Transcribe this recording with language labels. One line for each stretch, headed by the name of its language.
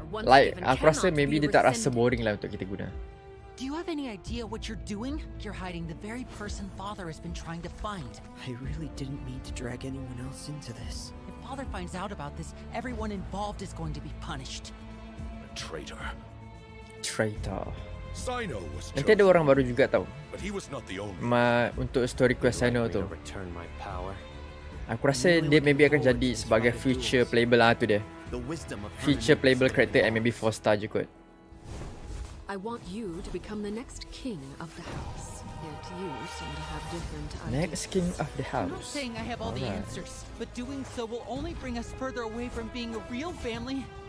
Malay: Like, aku rasa maybe dia tak rasa boring lah untuk kita guna.
English: Do you have any idea what you're doing? You're hiding the very person Father has been trying to find. I really didn't mean to drag anyone else into this. If Father finds out about this, everyone involved is going to be punished. A traitor. Traitor. Sino was chosen.
Malay: Nanti ada orang baru juga tau.
English: But he was not the only.
Malay: Ma, untuk story quest Sino tu.
English: Return my power.
Malay: Aku rasa dia maybe akan jadi sebagai future playable lah tu dia.
English: Future playable character and maybe 4 star
Malay: je kot.
English: I want you to become the next king of the house. Yet you seem to have different ideas. Next king of the house. I'm not saying I have all the answers, but doing so will only bring us further away from being a real family.